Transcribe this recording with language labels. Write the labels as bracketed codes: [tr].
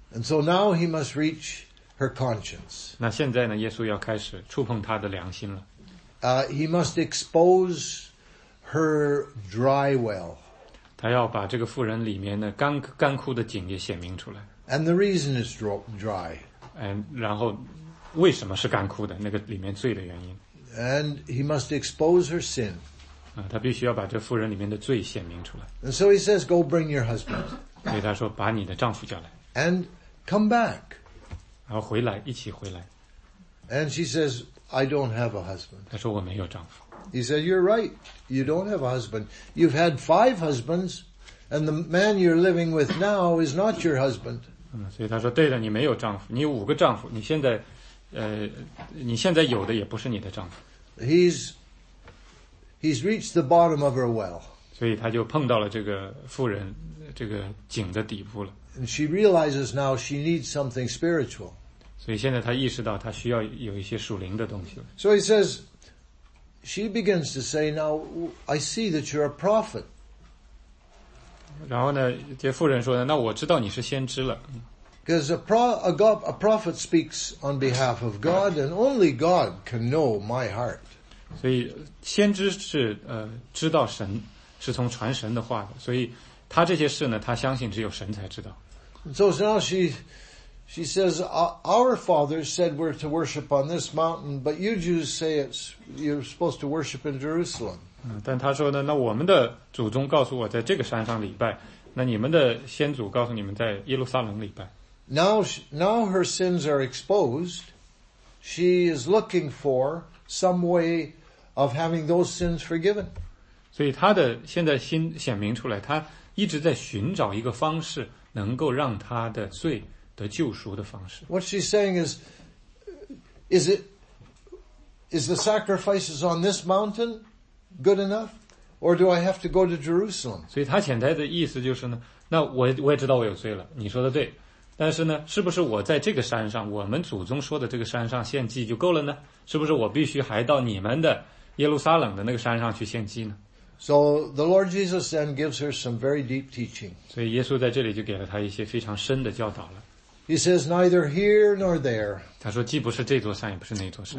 [en] And so now he must reach her conscience. [zh] 那现在呢，耶稣要开始触碰他的良心了。 [en] He must expose her dry well. [zh] 他要把这个妇人里面的干枯的井也显明出来。 [en] And the reason is dry. [zh] 然后为什么是干枯的？那个里面罪的原因。 [en] And he must expose her sin. [zh] 他必须要把这妇人里面的罪显明出来。 [en] And so he says, go bring your husband. [zh] 所以他说把你的丈夫叫来。 [en] And come back. [zh] 然后回来，一起回来。 [en] And she says, I don't have a husband. [zh] 他说我没有丈夫。 [en] He said, you're right, you don't have a husband. You've had five husbands, and the man you're living with now is not your husband. [zh] 所以他说，对了，你没有丈夫，你有五个丈夫，你现在有的也不是你的丈夫。 [en] He's reached the bottom of her well. [zh] 所以他就碰到了这个妇人，这个井的底部了。 [en] And she realizes now she needs something spiritual. [zh] 所以现在他意识到他需要有一些属灵的东西了。 [en] So he says, she begins to say, now I see that you're a prophet. [zh] 然后呢，这妇人说呢，那我知道你是先知了。 [en] Because a prophet speaks on behalf of God, and only God can know my heart. [zh] 所以先知是知道神，是从传神的话的，所以他这些事呢，他相信只有神才知道。 [en] So now she says, our fathers said we're to worship on this mountain, but you Jews say you're supposed to worship in Jerusalem. [zh] 但他说呢，那我们的祖宗告诉我在这个山上礼拜，那你们的先祖告诉你们在耶路撒冷礼拜。 [en] Now her sins are exposed. She is looking for some way of having those sins forgiven. [zh] 所以他的现在心显明出来，他一直在寻找一个方式能够让他的罪得救赎的方式。 [en] What she's saying is the sacrifices on this mountain good enough, or do I have to go to Jerusalem? [zh] 所以他潜台的意思就是呢，那我也知道我有罪了，你说的对，但是呢，是不是我在这个山上，我们祖宗说的这个山上献祭就够了呢？是不是我必须还到你们的耶路撒冷的那个山上去献祭呢？ [en] So the Lord Jesus then gives her some very deep teaching. [zh] 所以耶稣在这里就给了他一些非常深的教导了。 [en] He says, neither here nor there. [zh] 他说既不是这座山也不是那座山。